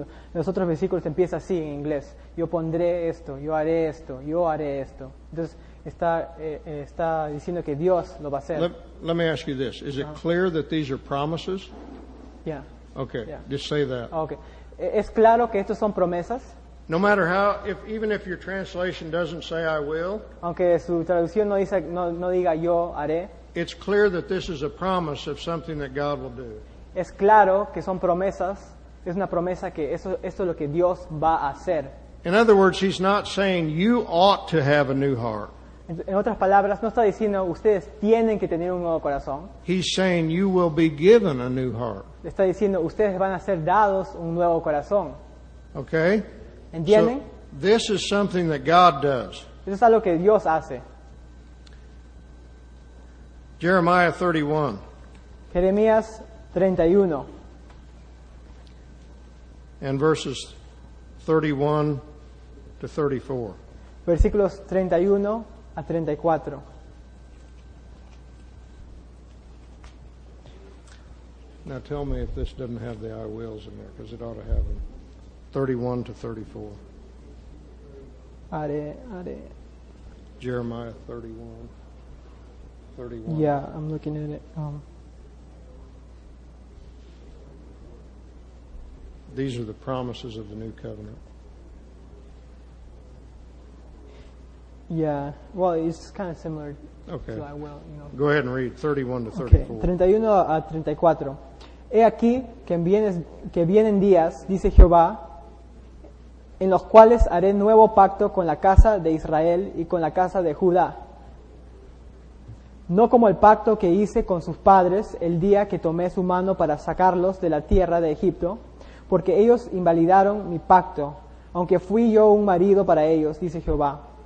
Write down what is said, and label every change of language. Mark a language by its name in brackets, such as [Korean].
[Spanish] En los otros versículos empieza así en inglés. Yo pondré esto, yo haré esto, yo haré esto. Entonces, está diciendo que Dios lo va a hacer. [English] Let me ask you this. Is it clear that these are promises? Yeah. Okay, yeah. Just say that. Okay. [Spanish] ¿Es claro que estos son promesas? [English] No matter how, even if your translation doesn't say I will, [Spanish] aunque su traducción no dice, no diga yo haré, [English] it's clear that this is a promise of something that God will do. [Spanish] Es claro que son promesas, es una promesa que esto es lo que Dios va a hacer. [English] In other words, he's not saying you ought to have a new heart. [Spanish] En otras palabras, no está diciendo ustedes tienen que tener un nuevo corazón. [English] He's saying you will be given a new heart. [Spanish] Está diciendo ustedes van a ser dados un nuevo corazón. [English] Okay? [Spanish] ¿Entienden? [English] So, this is something that God does. [Spanish] Eso es algo que Dios hace. [English] Jeremiah 31. [Spanish] Jeremías 31. [English] And verses 31 to 34. [Spanish] Versículos 31 a 34. [English] Now tell me if this doesn't have the I wills in there, because it ought to have them. 31 to 34. Are. Jeremiah 31. 31. Yeah, I'm looking at it. These are the promises of the new covenant. Yeah, well, it's kind of similar. Okay. To I will, you know. Go ahead and read 31 to 34. Okay. [Spanish] 31 a 34. He aquí que vienen días, dice Jehová, en los cuales haré nuevo pacto con la casa de Israel y con la casa de Judá. No como el pacto que hice con sus padres el día que tomé su mano para sacarlos de la tierra de Egipto, porque ellos invalidaron mi pacto, aunque fui yo un marido para ellos, dice Jehová.